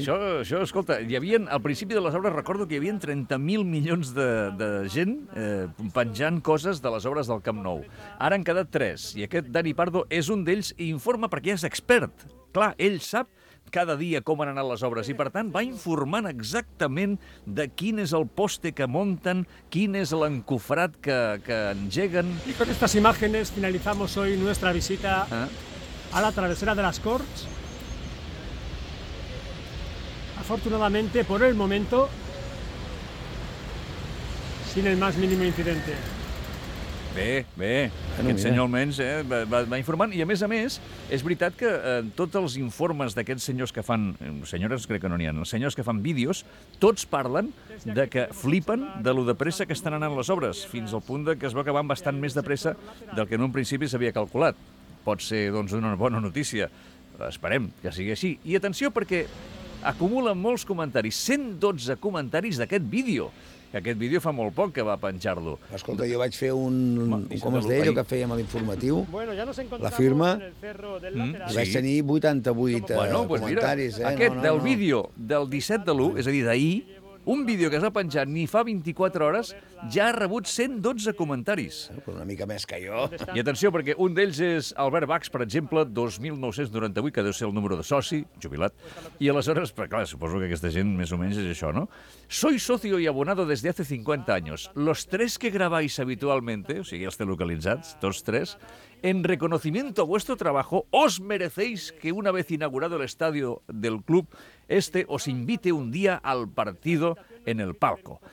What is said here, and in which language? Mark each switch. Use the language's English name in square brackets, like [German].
[Catalan] Això, escolta, hi havien, al principi de les obres, recordo que hi havien 30.000 milions de gent penjant coses de les obres del Camp Nou. Ara han quedat 3, i aquest Dani Pardo és un d'ells i informa perquè és expert. Clar, ell sap cada dia com han anat les obres i, per tant, va informant exactament de quin és el poste que monten, quin és l'encofrat que engeguen. [Spanish] I con estas imágenes finalizamos hoy nuestra visita a la travesera de las Corts. Afortunadamente, por el momento, sin el más mínimo incidente. [Catalan] Bé, aquest senyor almenys va informant. I a més, és veritat que tots els informes d'aquests senyors que fan... Senyores, crec que no n'hi ha. Els senyors que fan vídeos, tots parlen de que flipen de lo de pressa que estan anant les obres, fins al punt de que es va acabar bastant més de pressa del que en un principi s'havia calculat. Pot ser, doncs, una bona notícia. Esperem que sigui així. I atenció, perquè acumula molts comentaris. 112 comentaris d'aquest vídeo. Aquest vídeo fa molt poc que va penjar-lo. Escolta, jo vaig fer un com es deia, allò que fèiem a l'informatiu, [Spanish] bueno, ya nos encontramos la firma, en el cerro del lateral. [Catalan] I vaig tenir 88 comentaris. Mira, aquest del vídeo del 17 de l'1, és a dir, d'ahir, un vídeo que es va penjar ni fa 24 hores, ja ha rebut 112 comentaris. Una mica més que jo. I atenció, perquè un d'ells és Albert Bax, per exemple, 2.998, que deu ser el número de soci, jubilat. I aleshores, clar, suposo que aquesta gent més o menys és això, no? [Spanish] Soy socio y abonado desde hace 50 años. Los tres que grabáis habitualmente, [Catalan] o sigui, els té localitzats, tots tres, [Spanish] en reconocimiento a vuestro trabajo, os merecéis que una vez inaugurado el estadio del club, este os invite un día al partido en el palco.